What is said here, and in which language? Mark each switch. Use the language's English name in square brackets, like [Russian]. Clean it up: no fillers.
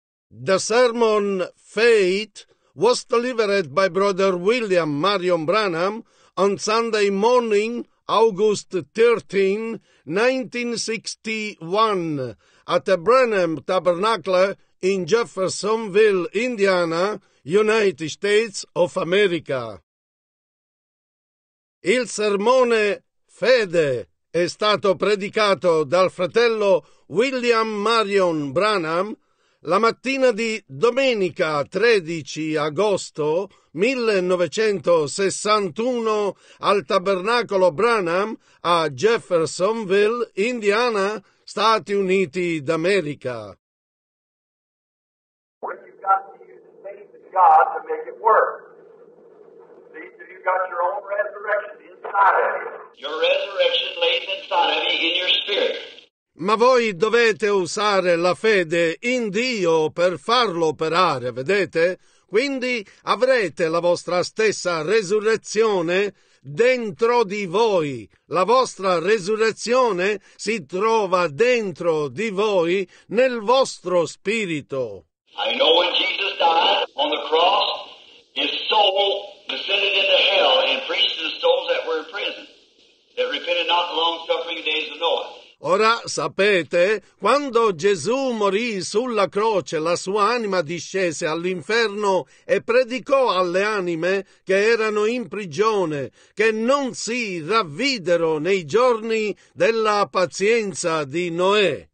[English] The sermon, Faith, was delivered by Brother William Marion Branham on Sunday morning, August 13, 1961, at the Branham Tabernacle in Jeffersonville, Indiana, United States of America. [Italian] Il sermone Fede è stato predicato dal fratello William Marion Branham la mattina di domenica 13 agosto 1961 al Tabernacolo Branham a Jeffersonville, Indiana, Stati Uniti d'America. [English] Well, you've got to use the faith of God to make it work. See, you've got your own resurrection inside of you. Your resurrection lays inside of you in your spirit. [Italian] Ma voi dovete usare la fede in Dio per farlo operare, vedete? Quindi avrete la vostra stessa resurrezione dentro di voi. La vostra resurrezione si trova dentro di voi, nel vostro spirito. [English] I know when Jesus died on the cross, his soul descended into hell and preached to the souls that were in prison, that repented not the long suffering of the days of Noah. [Italian] Ora sapete, quando Gesù morì sulla croce, la sua anima discese all'inferno e predicò alle anime che erano in prigione, che non si ravvidero nei giorni della pazienza di Noè.